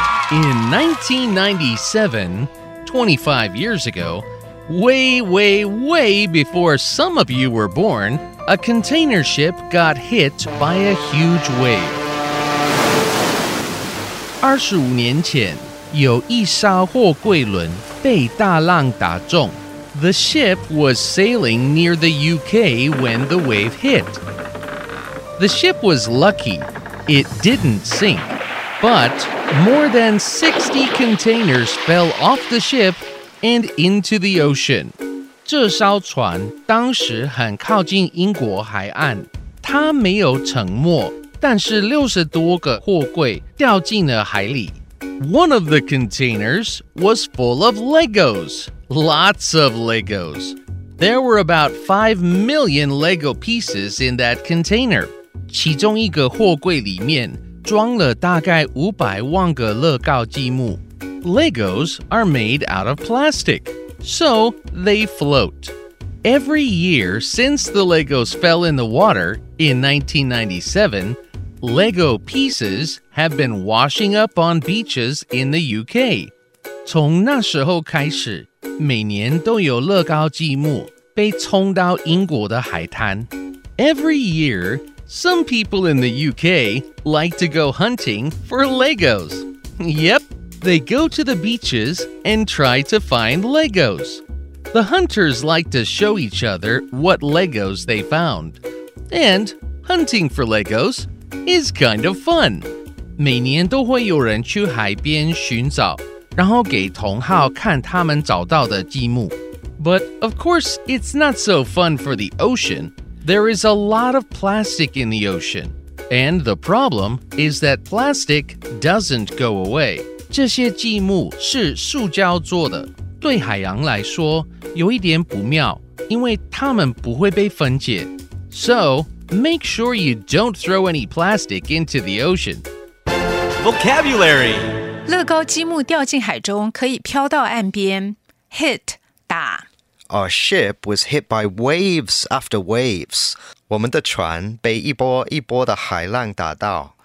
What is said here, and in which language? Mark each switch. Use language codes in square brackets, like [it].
[en] In 1997, 25 years ago, way, way, way before some of you were born, a container ship got hit by a huge wave. [zh] 25年前，有一艘货柜轮被大浪打中。 [en] The ship was sailing near the UK when the wave hit. The ship was lucky. It didn't sink. But more than 60 containers fell off the ship and into the ocean. [zh] 这艘船当时很靠近英国海岸，它没有沉没。但是60多个货柜掉进了海里。 [en] One of the containers was full of Legos. Lots of Legos. There were about 5 million Lego pieces in that container. [zh] 其中一个货柜里面装了大概500万个乐高积木。 [en] Legos are made out of plastic, so they float. Every year since the Legos fell in the water in 1997,Lego pieces have been washing up on beaches in the UK. [zh] 从那时候开始，每年都有乐高积木被冲到英国的海滩。 [en] Every year, some people in the UK like to go hunting for Legos. Yep, they go to the beaches and try to find Legos. The hunters like to show each other what Legos they found. And hunting for Legos... is kind of fun. [zh] 每年都会有人去海边寻找，然后给同好看他们找到的积木。 [en] But of course, it's not so fun for the ocean. There is a lot of plastic in the ocean. And the problem is that plastic doesn't go away. [zh] 这些积木是塑胶做的，对海洋来说有一点不妙，因为它们不会被分解。 [en] So,make sure you don't throw any plastic into the ocean. Vocabulary. [zh] 乐高积木掉进海中可以飘到岸边。 Hit, 打。 [en] Our ship was hit by waves after waves. [zh] 我们的船被一波一波的海浪打到。